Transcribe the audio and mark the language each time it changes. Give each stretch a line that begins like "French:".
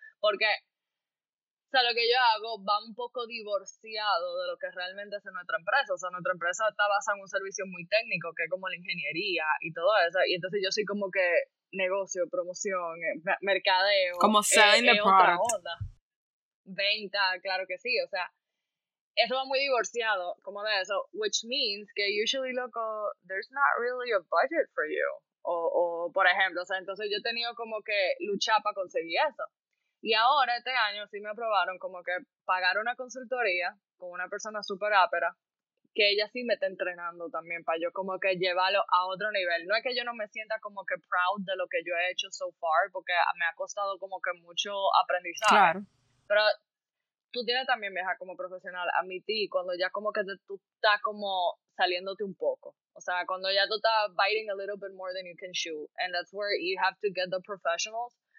Spanish: Porque, o sea, lo que yo hago va un poco divorciado de lo que realmente es en nuestra empresa. O sea, nuestra empresa está basada en un servicio muy técnico, que es como la ingeniería y todo eso. Y entonces yo soy como que negocio, promoción, mercadeo. Como
English: selling the product.
Spanish: Otra onda. Venta, claro que sí. O sea, eso va muy divorciado como de eso.
English: Which means que usually, loco, there's not really a budget for you.
Spanish: O por ejemplo, o sea, entonces yo he tenido como que luchar para conseguir eso. Y ahora, este año, sí me aprobaron como que pagar una consultoría con una persona súper ápera, que ella sí me está entrenando también para yo como que llevarlo a otro nivel. No es que yo no me sienta como que proud de lo que yo he hecho so far, porque me ha costado como que mucho aprendizaje. Claro. Pero tú tienes también, vieja, como profesional, admití cuando ya como que tú estás como saliéndote un poco. O sea, cuando ya tú estás
English: biting a little bit more than you can chew. And that's where you have to get the professionals.